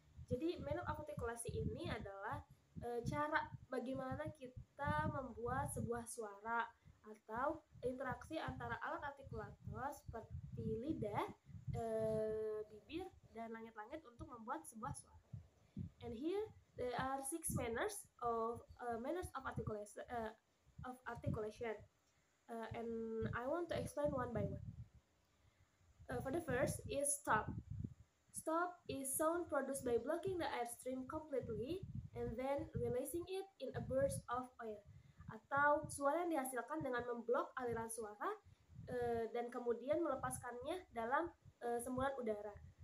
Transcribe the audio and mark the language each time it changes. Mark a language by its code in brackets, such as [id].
[id] Jadi, manner of artikulasi ini adalah cara bagaimana kita membuat sebuah suara atau interaksi antara alat artikulator seperti lidah, bibir, dan langit-langit untuk membuat sebuah suara. [en] And here, there are six manners of articulation. And I want to explain one by one. For the first is stop. Stop is sound produced by blocking the airstream completely and then releasing it in a burst of air. [id] Atau suara yang dihasilkan dengan memblok aliran suara dan kemudian melepaskannya dalam semburan udara.